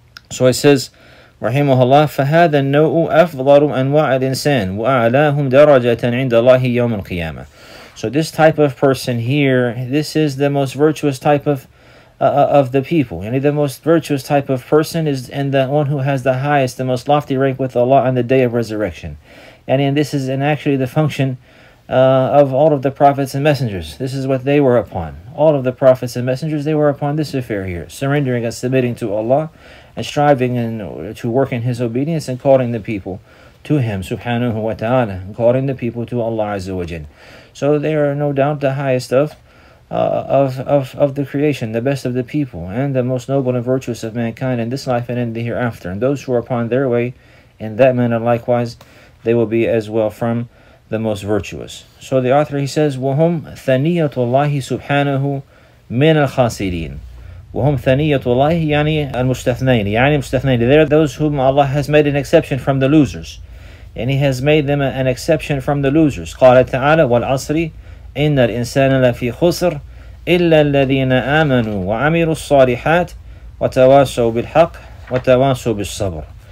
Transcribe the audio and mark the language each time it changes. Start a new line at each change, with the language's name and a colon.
English: So it says,
Arabic: Rahimahullah, فَهَذَا النَّوْءُ أَفْضَرُ أَنْوَعَ الْإِنسَانِ وَأَعْلَاهُمْ دَرَجَةً عِنْدَ اللَّهِ يَوْمَ الْقِيَامَةِ.
English: So this type of person here, this is the most virtuous type of the people. And the most virtuous type of person is, and the one who has the highest, the most lofty rank with Allah on the day of resurrection. And this is actually the function of all of the prophets and messengers. This is what they were upon. All of the prophets and messengers, they were upon this affair here. Surrendering and submitting to Allah and striving to work in his obedience and calling the people to him, subhanahu wa ta'ala, and calling the people to Allah azza wa jal. So they are no doubt the highest of the creation, the best of the people, and the most noble and virtuous of mankind in this life and in the hereafter. And those who are upon their way in that manner, likewise, they will be as well from the most virtuous. So the author, he says,
Arabic: وَهُمْ ثَنِيَةُ اللَّهِ سُبْحَانَهُ مِنَ الْخَاسِرِينَ وَهُمْ ثَنِيَةُ اللَّهِ يعني الْمُسْتَثْنَيْنِ يعني المستثنين.
English: They are those whom Allah has made an exception from the losers. And he has made them an exception from the losers.
Arabic: قَالَ تَعَالَى وَالْعَصْرِ إِنَّ الْإِنسَانَ لَفِي خُسْرٍ إِلَّا الَّذِينَ آمَنُوا وَعَمِلُوا الصَّالِحَاتِ وَتَوَاصَوْا بِالْحَقِّ وَتَوَاصَوْا بِالصَّبْرِ.